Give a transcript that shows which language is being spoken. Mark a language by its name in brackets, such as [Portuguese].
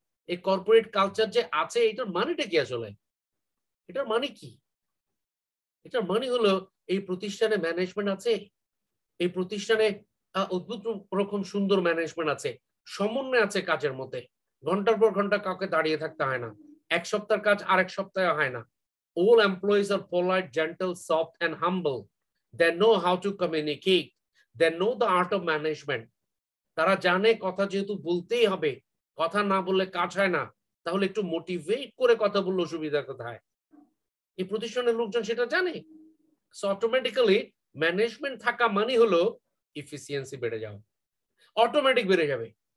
[Bangla] এই corporate culture যে আছে, এটার মানেটা কি আসলে? এটার মানে কি? এটার মানে হলো এই প্রতিষ্ঠানে ম্যানেজমেন্ট আছে, এই প্রতিষ্ঠানে অদ্ভুত রকম সুন্দর ম্যানেজমেন্ট আছে, সমন্বয় আছে কাজের মধ্যে, ঘন্টার পর ঘন্টা কাউকে দাঁড়িয়ে থাকতে হয় না, এক সপ্তাহের কাজ আরেক সপ্তাহে হয় না। [English] All employees are polite, gentle, soft and humble. They know how to communicate. They know the art of management. [Bangla] তারা জানে কথা যেহেতু বলতেই হবে, কথা না বললে কাজ হয় না, তাহলে একটু মোটিভেট করে কথা বললে সুবিধা কোথায়? এই প্রতিষ্ঠানের লোকজন সেটা জানে। [English] so automatically [Bangla] ম্যানেজমেন্ট থাকা মানে হলো এফিসিয়েন্সি বেড়ে যাওয়া, অটোমেটিক বেড়ে যাবে।